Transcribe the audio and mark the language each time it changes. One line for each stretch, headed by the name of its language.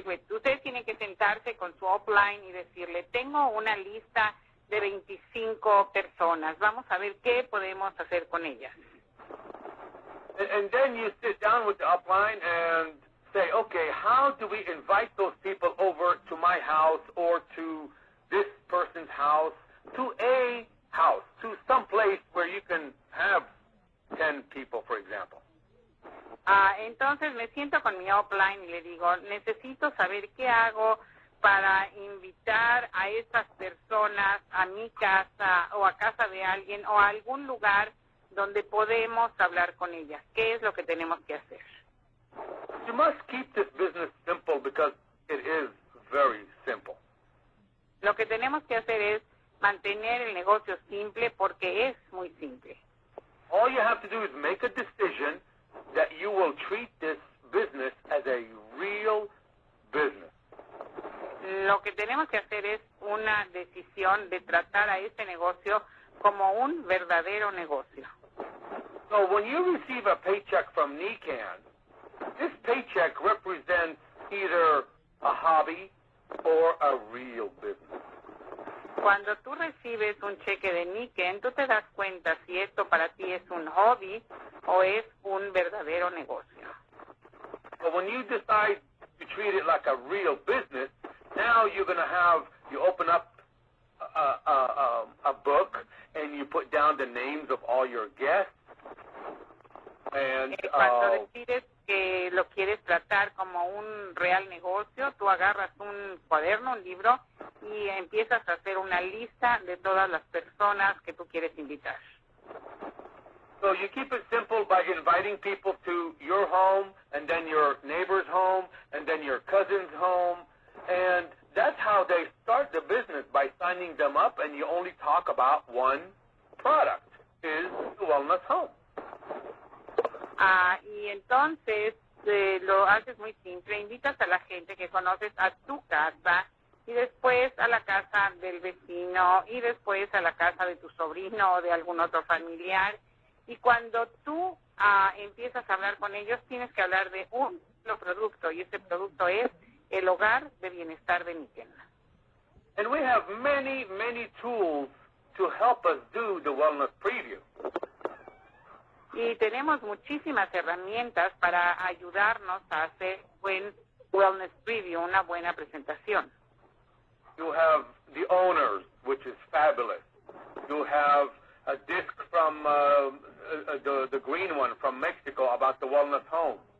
Spanish: Ustedes tienen que sentarse con su upline y decirle, tengo una lista de 25 personas. Vamos a ver qué podemos hacer con ellas.
English: And then you sit down with the upline and say, okay, how do we invite those people over to my house or to this person's house, to a house, to some place where you can have 10 people, for example.
Spanish: Entonces me siento con mi upline y le digo, necesito saber qué hago para invitar a esas personas a mi casa o a casa de alguien o a algún lugar donde podemos hablar con ellas. ¿Qué es lo que tenemos que hacer?
English: You must keep this business simple because it is very simple.
Spanish: Lo que tenemos que hacer es mantener el negocio simple porque es muy simple.
English: All you have to do is make a decision that you will treat this business as a real business.
Spanish: Lo que tenemos que hacer es una decisión de tratar a este negocio como un verdadero negocio.
English: So when you receive a paycheck from Niken, this paycheck represents either a hobby or a real business.
Spanish: Cuando tú recibes un cheque de Nikken, tú te das cuenta si esto para ti es un hobby o es un verdadero negocio.
English: But when you decide to treat it like a real business, now you're going to have, you open up a book and you put down the names of all your guests.
Spanish: Cuando decides que lo quieres tratar como un real negocio, tú agarras un cuaderno, un libro, y empiezas a hacer una lista de todas las personas que tú quieres invitar.
English: So you keep it simple by inviting people to your home, and then your neighbor's home, and then your cousin's home, and that's how they start the business, by signing them up, and you only talk about one product, is Wellness Home.
Spanish: Y entonces lo haces muy simple, invitas a la gente que conoces a tu casa y después a la casa del vecino y después a la casa de tu sobrino o de algún otro familiar. Y cuando tú empiezas a hablar con ellos, tienes que hablar de un solo producto y ese producto es el Hogar de Bienestar de Nikken.
English: And we have many, many tools to help us do the wellness preview.
Spanish: Y tenemos muchísimas herramientas para ayudarnos a hacer buen wellness preview, una buena presentación.
English: You have the owners, which is fabulous. You have a disc from the green one from Mexico about the Wellness Home.